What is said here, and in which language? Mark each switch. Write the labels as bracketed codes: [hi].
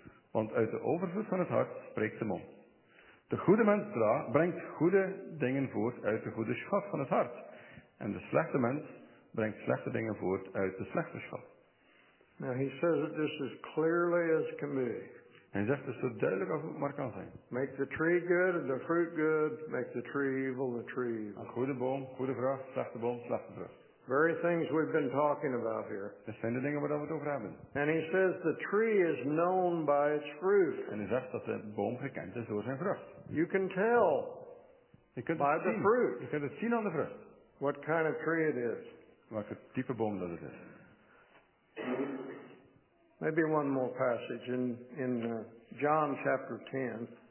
[nl] Want uit de overvloed van het hart spreekt de mond. De goede mens brengt goede dingen voort uit de goede schat van het hart. En de slechte mens brengt slechte dingen voort uit de slechte schat. [en] Now he says it just as clearly as can be. [nl] En hij zegt het zo duidelijk als het maar kan zijn. [en] Make the tree good and the fruit good. Make the tree evil, the tree evil. [nl] Een goede boom, goede vrucht, slechte boom, slechte vrucht. [en] Very things we've been talking about here. [nl] Dat zijn de dingen waar we het over hebben. [en] And he says the tree is known by its fruit. [nl] En hij zegt dat de boom gekend is door zijn vrucht. [en] You can tell by the fruit. [nl] Je kunt het zien aan de vrucht. [en] What kind of tree it is. [nl] Welke type boom dat het is. [en] Maybe one more passage in John chapter 10.